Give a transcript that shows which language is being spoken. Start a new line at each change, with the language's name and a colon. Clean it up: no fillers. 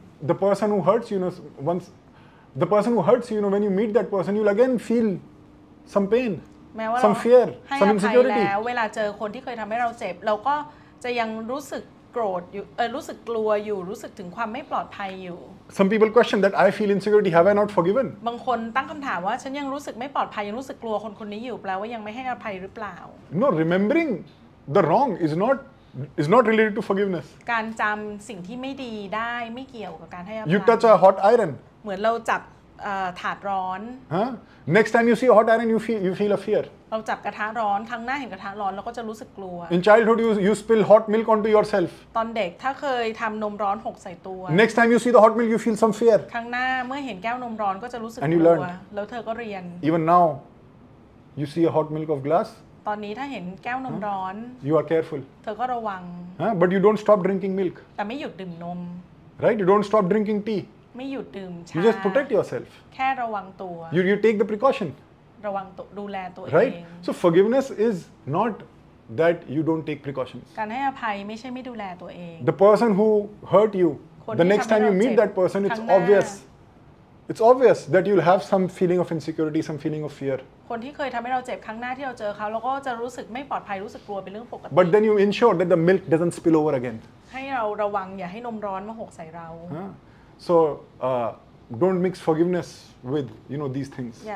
English: The person who hurts you know once the person who hurts you know when you meet that person you'll again feel some pain some fear some insecurity
Thai: แล้วเวลาเจอคนที่เคยทำให้เราเจ็บเราก็จะยังรู้สึกโกรธอยู่รู้สึกกลัวอยู่รู้สึกถึงความไม่ปลอดภัยอยู่
English: Some people question that I feel insecurity have I not forgiven
Thai: บางคนตั้งคำถามว่าฉันยังรู้สึกไม่ปลอดภัยยังรู้สึกกลัวคนคนนี้อยู่แปลว่ายังไม่ให้อภัยหรือเปล่า
English: No remembering the wrong is not related to forgiveness
Thai: การจำสิ่งที่ไม่ดีได้ไม่เกี่ยวกับการให้อภัย
English: You touch a hot iron
Thai: เหมือนเราจับถาดร้อน
English: Next time you see a hot iron you feel a fear
Thai: เราจับกระทะร้อนครั้งหน้าเห็นกระทะร้อนเราก็จะรู้สึกกลัว
English: In childhood you spill hot milk onto yourself
Thai: ตอนเด็กถ้าเคยทำนมร้อนหกใส่ตัว
English: Next time you see the hot milk you feel some fear
Thai: ครั้งหน้าเมื่อเห็นแก้วนมร้อนก็จะรู้สึกกลั ว
English: And you learn
Thai: แล้วเธอก็เรียน
English: Even now you see a hot milk of glass
Thai: ตอนนี้ถ้าเห็นแก้วนมร้อน
English: You are careful
Thai: เธอก็ระวัง
English: But you don't stop drinking milk
Thai: แต่ไม่หยุดดื่มนม
English: Right you don't stop drinking tea
Thai: ไม่หยุดดื่มชา
English: You just protect yourself
Thai: แค่ระวังตัว
English: You take the precaution
Thai: ระวังตัวดูแลตัวเอง
English: right so forgiveness is not that you don't take precautions
Thai: การให้อภัยไม่ใช่ไม่ดูแลตัวเอง
English: the person who hurt you the next time you meet that person it's obviousIt's obvious that you'll have some feeling of insecurity, some feeling of fear.
Thai: คนที่เคยทำให้เราเจ็บครั้งหน้าที่เราเจอเขาเราก็จะรู้สึกไม่ปลอดภัยรู้สึกกลัวเป็นเรื่องปกติ
English: But then you ensure that the milk doesn't spill over again.
Thai: ให้เราระวังอย่าให้นมร้อนมาหกใส่เรา
English: So don't mix forgiveness with you know these things.